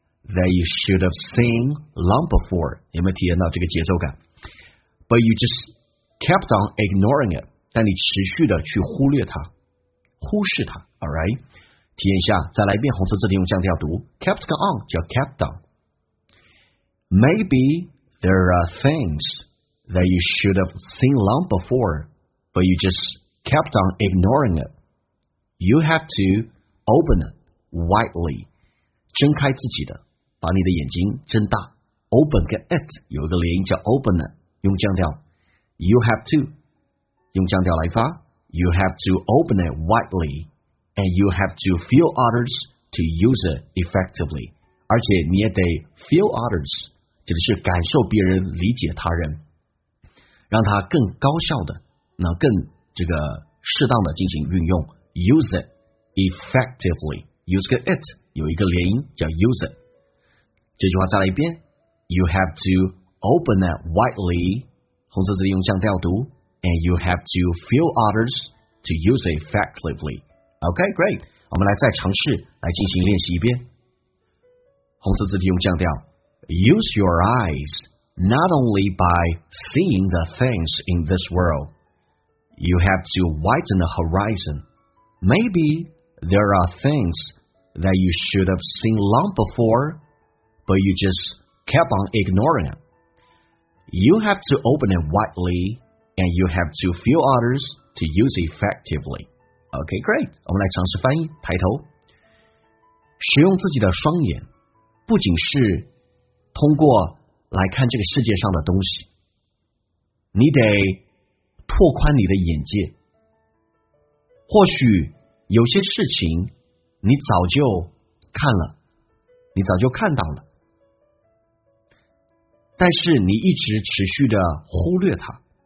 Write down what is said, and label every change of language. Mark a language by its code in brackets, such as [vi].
[en] That you should have seen long before. [zh] 有没有体验到这个节奏感 [en] ？But you just kept on ignoring it. [zh] 但你持续的去忽略它，忽视它。 [en] All right. [zh] 体验一下，再来一遍红色字体用降调读 ，kept on 叫 kept on. [en] Maybe there are things that you should have seen long before, but you just kept on ignoring it. You have to open it. [zh] Widely, 睁开自己的，把你的眼睛睁大。 Open 跟 it 有一个连音叫 open， 用降调。 [en] You have to [zh] 用降调来发。 [en] You have to open it widely, and you have to feel others to use it effectively。 [zh] 而且你也得 [en] feel others， [zh] 指的是感受别人、理解他人，让他更高效的、那更这个适当的进行运用。 [en] Use it effectively。 Use the it [zh] 有一个连音叫 [en] use it [zh] 这句话再来一遍 [en] You have to open it widely [zh] 红色字用降调读 [en] And you have to feel others to use it effectively OK, great [zh] 我们来再尝试来进行练习一遍红色字用降调 [en] Use your eyes not only by seeing the things in this world You have to widen the horizon Maybe there are thingsThat you should have seen long before, but you just kept on ignoring it. You have to open it widely, and you have to feel others to use effectively. Okay, great. [zh] 我们来尝试翻译，抬头。使用自己的双眼，不仅是通过来看这个世界上的东西，你得拓宽你的眼界。或许有些事情你早就看了，你早就看到了，但是你一直持续的忽略它。